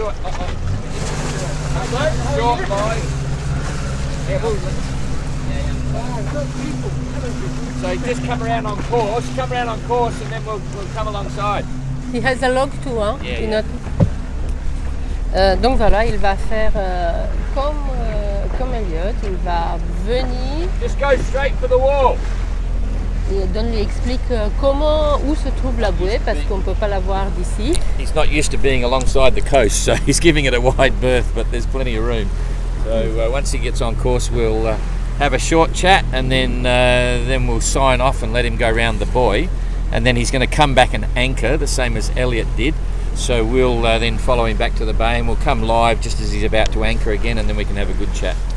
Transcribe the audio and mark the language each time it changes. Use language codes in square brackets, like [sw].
[en] so just come around on course, come around on course, and then we'll come alongside. He has a log too, hein? [fr] Donc voilà, il va faire comme Elliot, il va venir. [en] Just go straight for the wall. [fr] Et Don lui explique comment, où se trouve la bouée, parce qu'on ne peut pas la voir d'ici. [en] He's not used to being alongside the coast, so he's giving it a wide berth, but there's plenty of room. So once he gets on course, we'll have a short chat, and then we'll sign off and let him go round the buoy. And then he's going to come back and anchor, the same as Elliot did. So we'll then follow him back to the bay and we'll come live just as he's about to anchor again and then we can have a good chat.